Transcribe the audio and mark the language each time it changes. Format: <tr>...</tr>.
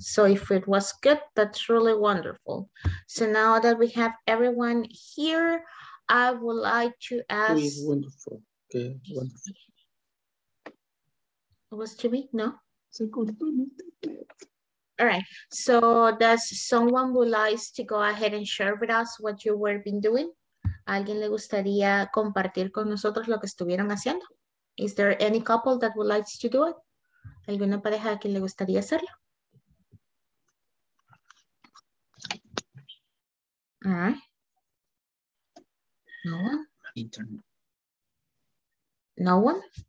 <en>So if it was good, that's really wonderful. So now that we have everyone here, I would like to ask. It was wonderful. Okay, wonderful. It was to me? No? It's a good moment. All right. So, does someone would like to go ahead and share with us what you were been doing?</en> <es>¿Alguien le gustaría compartir con nosotros lo que estuvieron haciendo?</es> <en>Is there any couple that would like to do it?</en> <es>¿Alguna pareja a quien le gustaría hacerlo?</es> <en>All right. No one? Internet. No one?</en>